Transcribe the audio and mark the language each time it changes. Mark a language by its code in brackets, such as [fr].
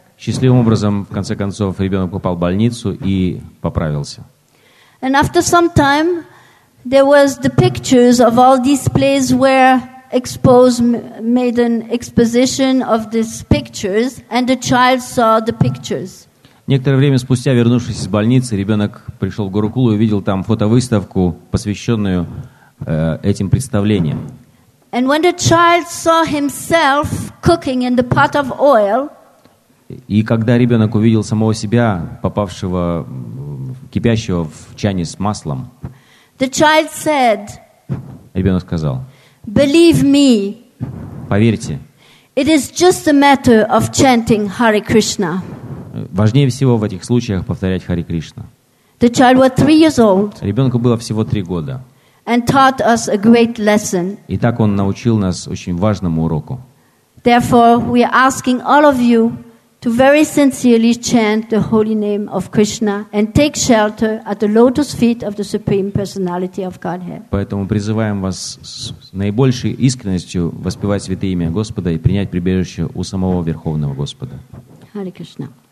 [ru] Счастливым образом, в конце концов, ребенок попал в больницу и поправился. [en] And after some time, there was the pictures of all these places where exposed, made an exposition of these pictures, and the child saw the pictures. [ru] Некоторое время спустя, вернувшись из больницы, ребенок пришел в Гурукулу и увидел там фотовыставку, посвященную этим представлениям. [en] And when the child saw himself cooking in the pot of oil, [ru] и когда ребенок увидел самого себя, попавшего, кипящего в чане с маслом, [en] the child said, [ru] ребенок сказал, [en] believe me, [ru] поверьте, [en] it is just a matter of chanting Hare Krishna. [ru] Важнее всего в этих случаях повторять Харе Кришна. [en] The child was 3 years old. [ru] Ребенку было всего 3 года. [en] And taught us a great lesson. [ru] И так он научил нас очень важному уроку. [en] Therefore, we are asking all of you to very sincerely chant the holy name of Krishna and take shelter at the lotus feet of the Supreme Personality of Godhead. [ru] Поэтому призываем вас с наибольшей искренностью воспевать святые имя Господа и принять прибежище у самого Верховного Господа. [en] Hare Krishna.